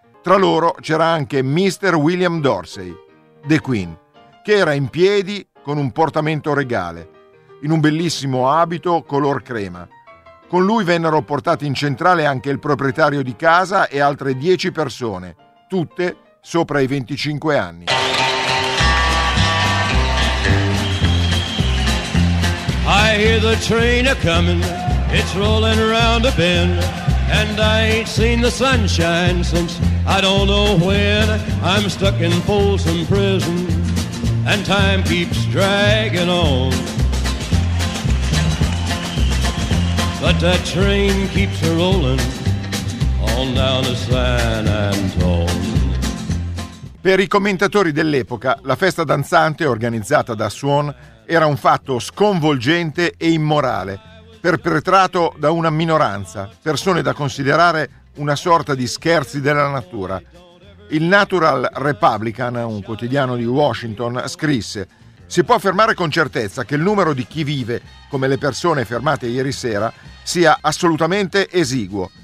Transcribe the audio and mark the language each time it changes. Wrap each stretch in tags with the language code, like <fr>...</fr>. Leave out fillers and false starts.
<it>Tra loro c'era anche Mr. William Dorsey, The Queen, che era in piedi con un portamento regale, in un bellissimo abito color crema. Con lui vennero portati in centrale anche il proprietario di casa e altre 10 persone, tutte sopra i 25 anni.</it> <en>I hear the train a-coming, it's rolling around a bend, and I ain't seen the sunshine since I don't know when. I'm stuck in Folsom Prison, and time keeps dragging on. But that train keeps a-rolling on down to San Antone.</en> <it>Per i commentatori dell'epoca, la festa danzante organizzata da Swan era un fatto sconvolgente e immorale, perpetrato da una minoranza, persone da considerare una sorta di scherzi della natura. Il Natural Republican, un quotidiano di Washington, scrisse: «Si può affermare con certezza che il numero di chi vive, come le persone fermate ieri sera, sia assolutamente esiguo.</it>